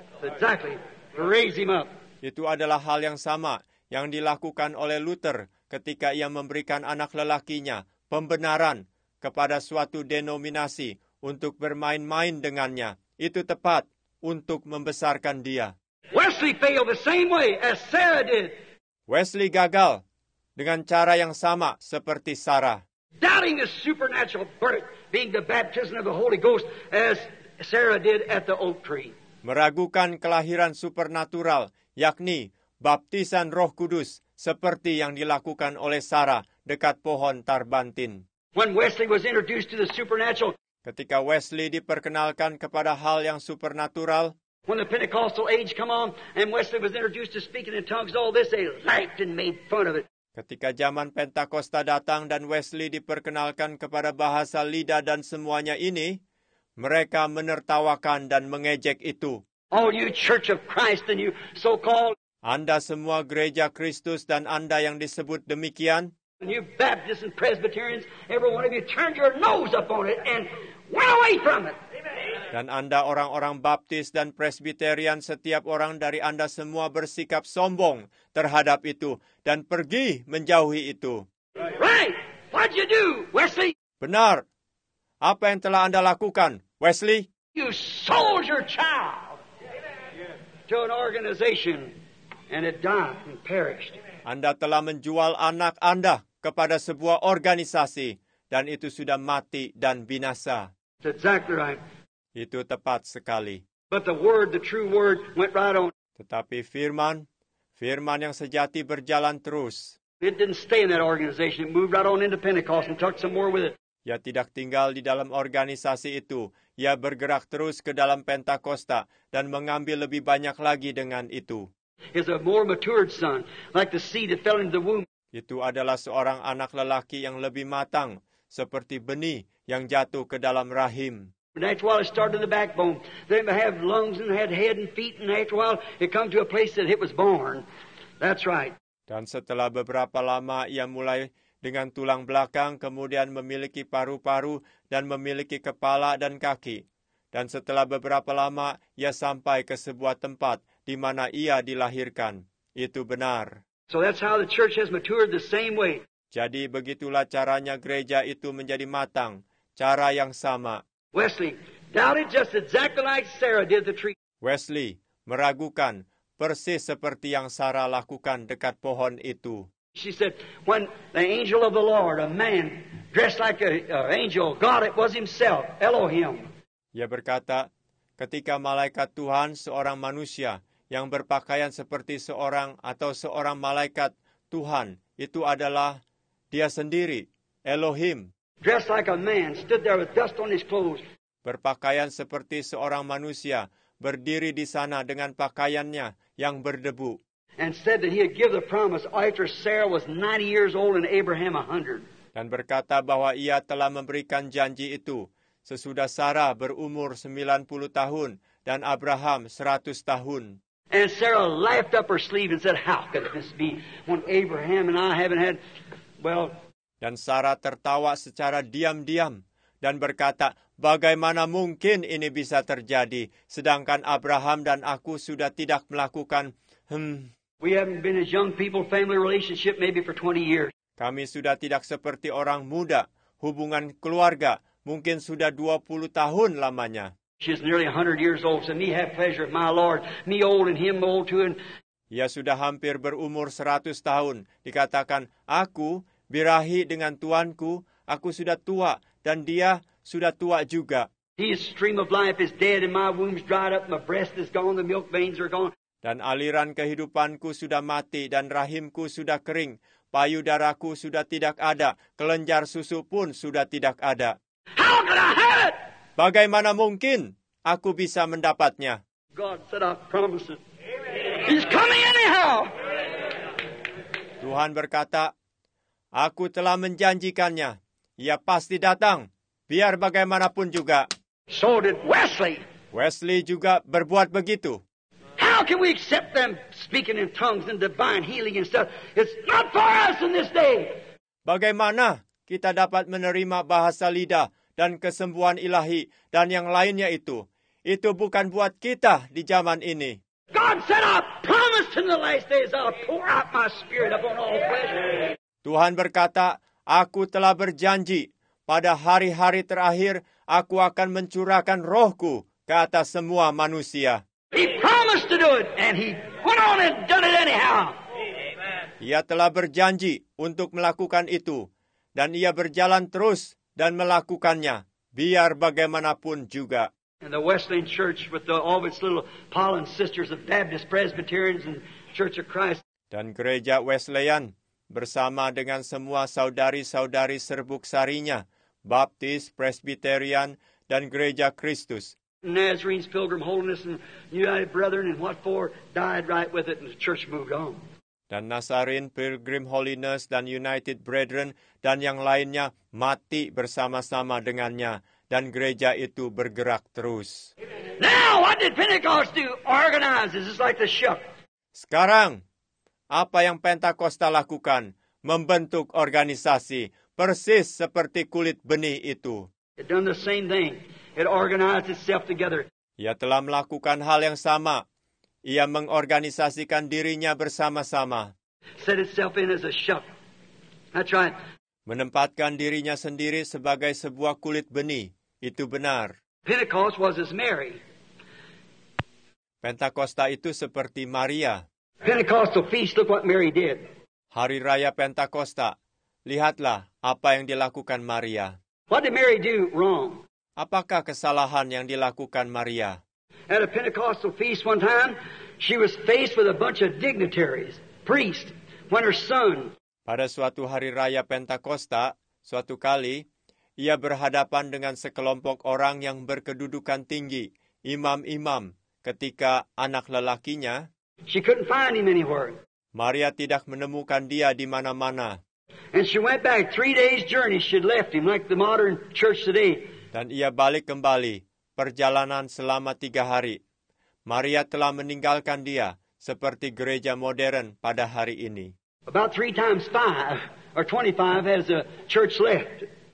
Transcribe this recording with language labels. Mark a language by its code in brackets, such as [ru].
[en] Exactly. Raise him up. [id] Itu adalah hal yang sama yang dilakukan oleh Luther ketika ia memberikan anak lelakinya pembenaran kepada suatu denominasi untuk bermain-main dengannya. Itu tepat untuk membesarkan dia. [en] Wesley failed the same way as Sarah did. [id] Wesley gagal dengan cara yang sama seperti Sarah. [en] Doubting the supernatural birth being the baptism of the Holy Ghost as Sarah did at the oak tree. [id] Meragukan kelahiran supernatural, yakni baptisan Roh Kudus seperti yang dilakukan oleh Sarah dekat pohon Tarbantin. [en] When Wesley was introduced to the supernatural. [id] Ketika Wesley diperkenalkan kepada hal yang supernatural. [en] When the Pentecostal age come on and Wesley was introduced to speaking in tongues, all this they laughed and made fun of it. [id] Ketika zaman Pentakosta datang dan Wesley diperkenalkan kepada bahasa lidah dan semuanya ini, mereka menertawakan dan mengejek itu. [en] All you Church of Christ and you so-called. [id] Anda semua gereja Kristus dan Anda yang disebut demikian. [en] And you Baptists and Presbyterians, every one of you turned your nose up on it and went away from it. [id] Dan Anda orang-orang Baptis dan Presbyterian, setiap orang dari Anda semua bersikap sombong terhadap itu dan pergi menjauhi itu. [en] Right. What'd you do, Wesley? [id] Benar. Apa yang telah Anda lakukan, Wesley? [en] You sold your child to an organization and it died and perished. [id] Anda telah menjual anak Anda kepada sebuah organisasi dan itu sudah mati dan binasa. [en] Exactly right. [id] Itu tepat sekali. [en] But the word, the true word, went right on. [id] Tetapi firman yang sejati berjalan terus. [en] It didn't stay in that organization. It moved right on into Pentecost and took some more with it. [id] Ia tidak tinggal di dalam organisasi itu. Ia bergerak terus ke dalam Pentakosta dan mengambil lebih banyak lagi dengan itu. [en] Is a more matured son, like the seed that fell into the womb. [id] Itu adalah seorang anak lelaki yang lebih matang, seperti benih yang jatuh ke dalam rahim. [en] And after a while, it started in the backbone. Then it had lungs and had head and feet. And after a while, it come to a place that it was born. That's right. [id] Dan setelah beberapa lama, ia mulai dengan tulang belakang, kemudian memiliki paru-paru dan memiliki kepala dan kaki. Dan setelah beberapa lama, ia sampai ke sebuah tempat di mana ia dilahirkan. Itu benar. [en] So that's how the church has matured the same way. [id] Jadi begitulah caranya gereja itu menjadi matang, cara yang sama. [en] Wesley doubted just exactly like Sarah did the tree. [id] Wesley meragukan persis seperti yang Sarah lakukan dekat pohon itu. [en] She said, when the angel of the Lord, a man dressed like an angel, God it was himself, Elohim. [id] Ia berkata, ketika malaikat Tuhan, seorang manusia yang berpakaian seperti seorang atau seorang malaikat Tuhan, itu adalah dia sendiri, Elohim. [en] Dressed like a man, stood there with dust on his clothes. [id] Berpakaian seperti seorang manusia, berdiri di sana dengan pakaiannya yang berdebu. [en] And said that he had given the promise after Sarah was 90 years old and Abraham 100. [id] Dan berkata bahwa ia telah memberikan janji itu sesudah Sarah berumur 90 tahun dan Abraham 100 tahun. [en] And Sarah laughed up her sleeve and said, "How could this be when Abraham and I haven't had, well?" [id] Dan Sarah tertawa secara diam-diam dan berkata, bagaimana mungkin ini bisa terjadi, sedangkan Abraham dan aku sudah tidak melakukan, [en] We haven't been as young people family relationship maybe for 20 years. [id] Kami sudah tidak seperti orang muda, hubungan keluarga, mungkin sudah 20 tahun lamanya. [en] She's nearly 100 years old, so me have pleasure, my Lord, me old and him old too. And... [id] Ia sudah hampir berumur 100 tahun, dikatakan, aku... Birahi dengan tuanku, aku sudah tua dan dia sudah tua juga. [en] His stream of life is dead and my womb's dried up, my breast is gone, the milk veins are gone. [id] Dan aliran kehidupanku sudah mati dan rahimku sudah kering. Payudaraku sudah tidak ada, kelenjar susu pun sudah tidak ada. [en] How can I have it? [id] Bagaimana mungkin aku bisa mendapatnya? [en] God said I promise it. He's coming anyhow. [id] Tuhan berkata, aku telah menjanjikannya. Ia pasti datang, biar bagaimanapun juga. [en] So did Wesley. [id] Wesley juga berbuat begitu. [en] How can we accept them speaking in tongues and divine healing and stuff? It's not for us in this day. [id] Bagaimana kita dapat menerima bahasa lidah dan kesembuhan ilahi dan yang lainnya itu? Itu bukan buat kita di zaman ini. [en] God said, I promised in the last days I'll pour out my spirit upon all flesh. [id] Tuhan berkata, aku telah berjanji, pada hari-hari terakhir, aku akan mencurahkan rohku ke atas semua manusia. [en] He promised to do it, and he went on and done it anyhow. Amen. [id] Ia telah berjanji untuk melakukan itu, dan ia berjalan terus dan melakukannya, biar bagaimanapun juga. [en] And the Wesleyan Church, with all of its little pollen sisters of Baptist, Presbyterians, and Church of Christ. [id] Dan gereja Wesleyan. Bersama dengan semua saudari-saudari serbuk sarinya, Baptis, Presbyterian, dan Gereja Kristus. [en] Nazarenes, Pilgrim Holiness, and United Brethren, and what for, died right with it, and the church moved on. [id] Dan Nazarene, Pilgrim Holiness, dan United Brethren, dan yang lainnya mati bersama-sama dengannya, dan gereja itu bergerak terus. [en] Now, what did Pentecost do? Organize, it's just like the ship. [id] Sekarang, apa yang Pentakosta lakukan? Membentuk organisasi, persis seperti kulit benih itu. [en] It done the same thing. It organized itself together. [id] Ia telah melakukan hal yang sama. Ia mengorganisasikan dirinya bersama-sama. [en] Set itself in as a shuck. That's right. [id] Menempatkan dirinya sendiri sebagai sebuah kulit benih. Itu benar. [en] Pentecost was as Mary. [id] Pentakosta itu seperti Maria. [en] Pentecostal feast, look what Mary did. [id] Hari Raya Pentakosta, lihatlah apa yang dilakukan Maria. [en] What did Mary do wrong? [id] Apakah kesalahan yang dilakukan Maria? [en] At a Pentecostal feast one time, she was faced with a bunch of dignitaries, priests, when her son... [id] Pada suatu hari raya Pentakosta, suatu kali, ia berhadapan dengan sekelompok orang yang berkedudukan tinggi, imam-imam, ketika anak lelakinya... [en] She couldn't find him anywhere. [id] Maria tidak menemukan dia di mana-mana. [en] And she went back 3 days' journey. She'd left him, like the modern church today. [id] Dan ia balik kembali, perjalanan selama 3 hari. Maria telah meninggalkan dia, seperti gereja modern pada hari ini. [en] About 3 times 5 or 25 as a church left.